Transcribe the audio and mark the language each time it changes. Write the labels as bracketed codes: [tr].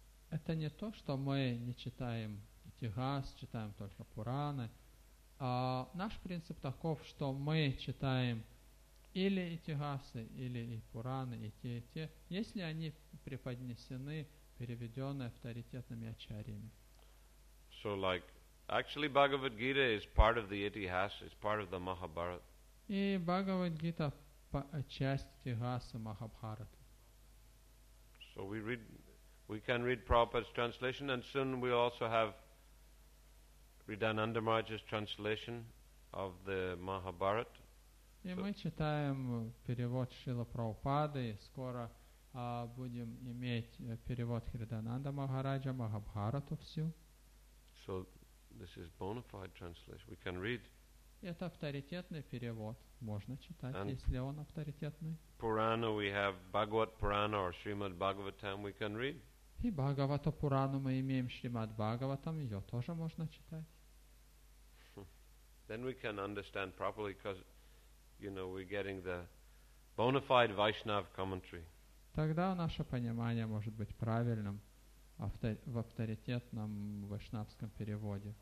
[ru] Это не то, что мы не читаем Итихас, читаем только Пураны. Наш принцип таков, что мы читаем или Итихасы, или и Пураны, и те, если они преподнесены, переведены авторитетными ачарьями. [en] So like, actually Bhagavad Gita is part of the Itihas, it's part of the Mahabharata. [ru] И Бхагавад Гита часть Итихаса Махабхараты. [en] So we read... We can read Prabhupada's translation, and soon we also have Ridhananda Maharaj's translation of the Mahabharata. [ru] И мы читаем перевод Шрилы Прабхупады, и скоро будем иметь перевод Ридхананда Махараджа Махабхарату всю. [en] So this is bona fide translation. We can read. [ru] Это авторитетный перевод. Можно читать, [en] and [ru] если он авторитетный. [en] Purana, we have Bhagavat Purana or Srimad Bhagavatam. We can read. [ru] И Бхагавата Пурану мы имеем Шримад Бхагаватам, ее тоже можно читать. [en] Then we can understand properly, because, you know, we're getting the bona fide Vaishnava commentary. [ru] Тогда наше понимание может быть правильным в авторитетном вайшнавском переводе.